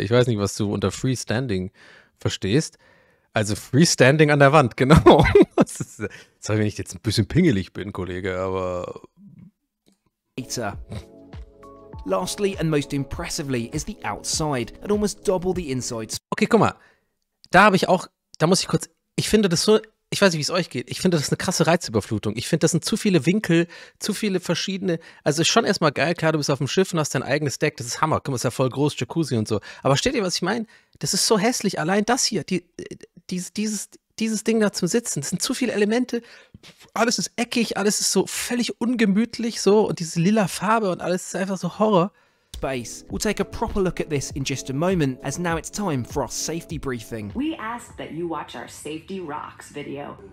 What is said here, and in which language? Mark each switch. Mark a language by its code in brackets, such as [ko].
[de] Ich weiß nicht, was du unter freestanding verstehst. Also freestanding an der Wand, genau. Sorry, wenn ich jetzt ein bisschen pingelig bin, Kollege, aber... [en] Later. Lastly and most impressively is the outside, at almost double the inside. [de] Okay, guck mal, da habe ich auch, da muss ich kurz, ich finde das so, ich weiß nicht, wie es euch geht, ich finde das eine krasse Reizüberflutung. Ich finde, das sind zu viele Winkel, zu viele verschiedene, also ist schon erstmal geil, klar, du bist auf dem Schiff und hast dein eigenes Deck, das ist Hammer, guck mal, ist ja voll groß, Jacuzzi und so. Aber steht ihr, was ich meine? Das ist so hässlich, allein das hier, dieses Ding da zum Sitzen, das sind zu viele Elemente, alles ist eckig, alles ist so völlig ungemütlich so und diese lila Farbe und alles ist einfach so Horror. [en] space. We'll take a proper look at this in just a moment, as now it's time for our safety briefing. We ask that you watch our Safety Rocks video.